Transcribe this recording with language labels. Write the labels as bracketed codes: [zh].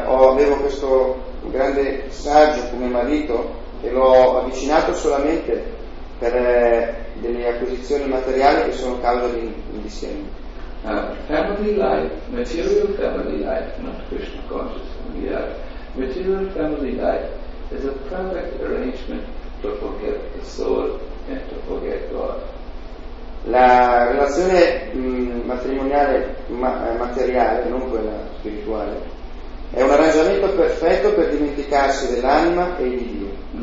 [it] avevo questo grande saggio come marito, e l'ho avvicinato solamente per delle acquisizioni materiali che sono causa di insieme. [en] Family life, material family life, not Krishna consciousness, we are. Material family life is a perfect arrangement to forget the soul and to forget God. [it] La relazione matrimoniale materiale, non quella spirituale, è un arrangiamento perfetto per dimenticarsi dell'anima e di Dio.